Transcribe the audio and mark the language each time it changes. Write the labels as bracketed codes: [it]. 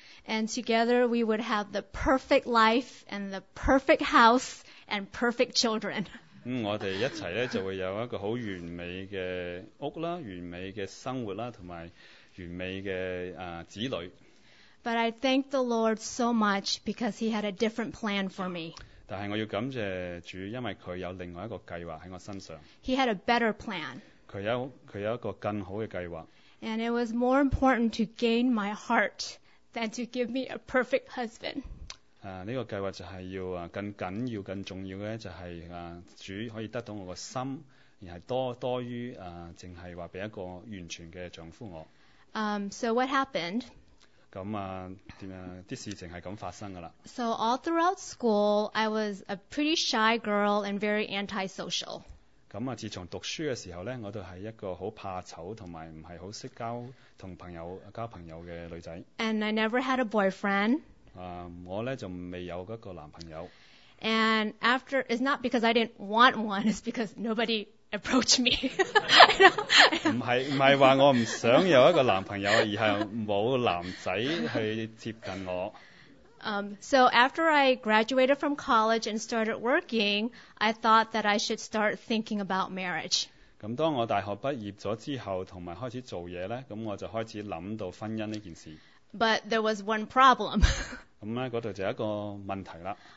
[en] And together we would have the perfect life and the perfect house and perfect children. [yue] 我哋一齐咧就会有一个好完美嘅屋啦，完美嘅生活啦，同埋完美嘅子女。 [en] But I thank the Lord so much because He had a different plan for me. [yue] 但係我要感謝主，因為佢有另外一個計劃喺我身上。 [en] He had a better plan. [yue] 佢有一個更好嘅計劃。 [en] And it was more important to gain my heart than to give me a perfect husband. [yue] 呢個計劃就係要更緊要、更重要嘅就係主可以得到我個心，而係多於淨係話俾一個完全嘅丈夫我。 [en] So what happened? So all throughout school, I was a pretty shy girl and very antisocial. [yue] 咁啊，自从读书嘅时候咧，我都系一个好怕丑同埋唔系好识交同朋友交朋友嘅女仔。 [en] And I never had a boyfriend. [yue] 我咧就未有一个男朋友。 [en] And after, it's not because I didn't want one, it's because nobody. Approach me. [yue] 唔係話我唔想有一個男朋友，而係冇男仔去接近我。 [en] So after I graduated from college and started working, I thought that I should start thinking about marriage. [yue] 咁當我大學畢業咗之後，同埋開始做嘢咧，咁我就開始諗到婚姻呢件事。 [en] But there was one problem. [yue] 咁咧，嗰度就一個問題啦。